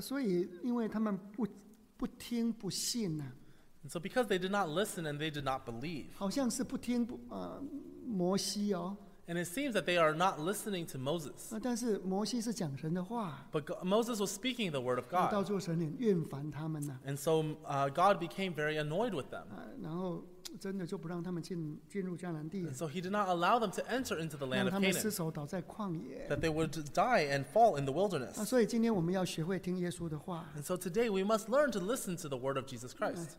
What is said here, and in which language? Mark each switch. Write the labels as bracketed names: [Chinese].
[Chinese] 所以因为他们不听不信呢。 [English] So because they did not listen and they did not believe. [Chinese] 好像是不听摩西哦。 [English] And it seems that they are not listening to Moses. [Chinese] 但是摩西是讲神的话。 [English] But Moses was speaking the word of God. [Chinese] 到最后神很厌烦他们呢。 [English] And so God became very annoyed with them. [Chinese] 然后真的就不让他们进入迦南地。 [English] And so he did not allow them to enter into the land of Canaan. [Chinese] 让他们失手倒在旷野。 [English] That they would die and fall in the wilderness. [Chinese] 所以今天我们要学会听耶稣的话。 [English] And so today we must learn to listen to the word of Jesus Christ.